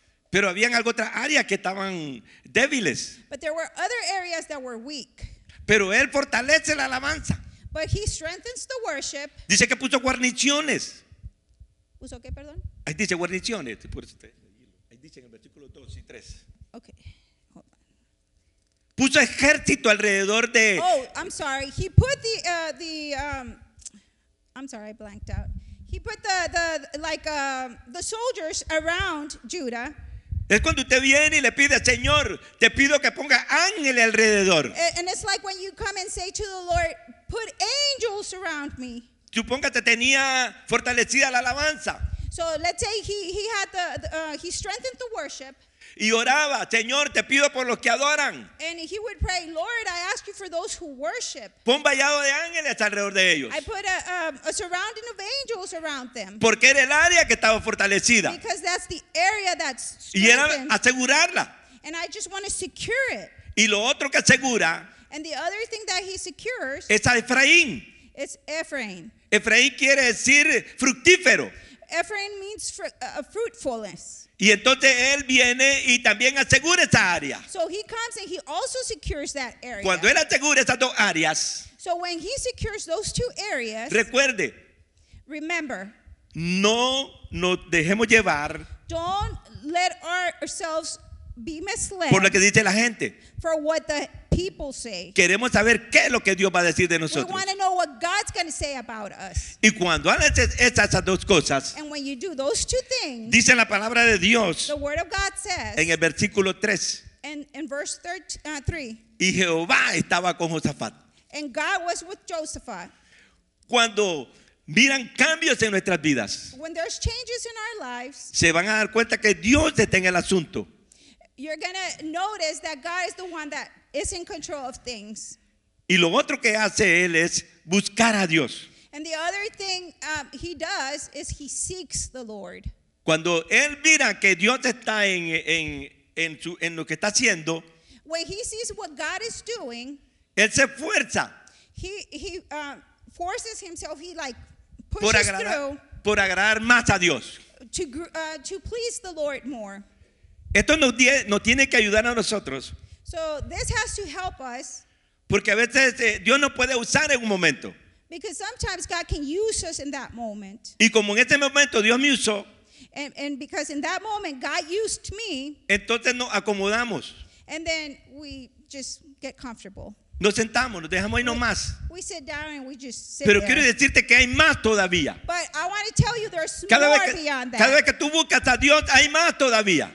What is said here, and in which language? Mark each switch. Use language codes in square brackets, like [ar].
[es] Pero habían algo otra área que estaban débiles. [en] But there were other areas that were weak. [es] Pero él fortalece la alabanza. [en] But he strengthens the worship. [es] Dice que puso guarniciones. ¿Puso qué, perdón? Ahí dice guarniciones. Ahí dice en el versículo 2 y 3. [en] Okay. [es] Puso ejército alrededor de. [en] Oh, I'm sorry. He put the I'm sorry, I blanked out. He put the soldiers around Judah. [es] Es cuando usted viene y le pide, Señor, te pido que ponga ángel alrededor. [en] And it's like when you come and say to the Lord, put angels around me. [es] Supóngate tenía fortalecida la alabanza. [en] So let's say he strengthened the worship. [es] Y oraba, Señor, te pido por los que adoran. [en] And he would pray, Lord, I ask you for those who worship. [es] Pon vallado de ángeles alrededor de ellos. [en] I put a surrounding of angels around them. [es] Porque era el área que estaba fortalecida. [en] Because that's the area that's strengthened. [es] Y era asegurarla. [en] And I just want to secure it. [es] Y lo otro que asegura. [en] And the other thing that he secures. [es] Es a Efraín. [en] It's Ephraim. [es] Efraín quiere decir fructífero. [en] Ephraim means fruitfulness. [es] Y entonces él viene y también asegura esa área. [en] So he comes and he also secures that area. [es] Cuando él asegura esas dos áreas. [en] So when he secures those two areas. [es] Recuerde. [en] Remember. [es] No nos dejemos llevar. [en] Don't let ourselves be misled. [es] Por lo que dice la gente. [en] For what the people say. [es] Queremos saber qué es lo que Dios va a decir de nosotros. [en] We want to know what God's going to say about us. [es] Y cuando haces esas dos cosas. [en] And when you do those two things. [es] Dice la palabra de Dios. [en] The word of God says. [es] En el versículo 3. [en] In verse 3. [es] Y Jehová estaba con Josafat. [en] And God was with Josaphat. [es] Cuando miran cambios en nuestras vidas. [en] When there's changes in our lives. [es] Se van a dar cuenta que Dios está en el asunto. [en] You're going to notice that God is the one that is in control of things. [es] Y lo otro que hace él es buscar a Dios. [en] And the other thing he does is he seeks the Lord. [es] Cuando él mira que Dios está en lo que está haciendo. [en] When he sees what God is doing. [es] Él se esfuerza. [en] He forces himself. He like pushes [es] por agradar, [en] through. [es] Por agradar más a Dios. [en] To please the Lord more. [es] Esto nos tiene que ayudar a nosotros. [en] So this has to help us. [es] Porque a veces Dios nos puede usar en un momento. [en] Because sometimes God can use us in that moment. [es] Y como en este momento Dios me usó. [en] And because in that moment God used me. [es] Entonces nos acomodamos. [en] And then we just get comfortable. [es] Nos sentamos, nos dejamos ahí nomás. [en] We sit down and we just sit [es] pero [en] there. [es] Quiero decirte que hay más todavía. [en] But I want to tell you there's [es] cada [en] more beyond that. [es] Cada vez que tú buscas a Dios, hay más todavía.